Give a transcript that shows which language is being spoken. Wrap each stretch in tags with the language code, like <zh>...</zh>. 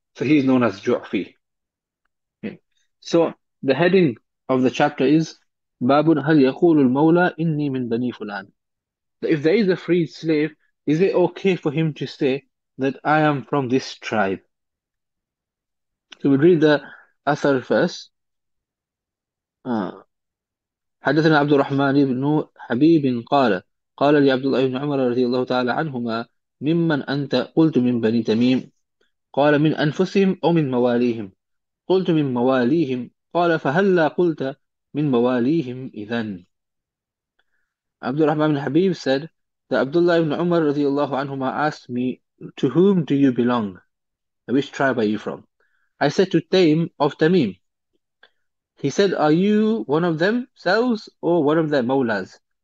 <en>So he's known as Ju'fi. So the heading of the chapter is</en> <ar>Babun hal yaqulul mawla inni min bani fulan.</ar> <en>If there is a freed slave, is it okay for him to say that I am from this tribe? So we read the athar first.</en> <ar>حدثنا عبد الرحمن بن حبيب قال قال لي عبد الله بن عمر رضي الله تعالى عنهما ممن أنت قلت من بني تميم قال من أنفسهم أو من مواليهم قلت من مواليهم قال فهلا قلت من مواليهم إذن.</ar> <en>Abdul Rahman ibn Habib said that Abdullah ibn Umar radiallahu anhuma asked me, "To whom do you belong? Which tribe are you from?" I said, "To Taim of Tamim." He said, "Are you one of themselves or one of their mawlas?"</en>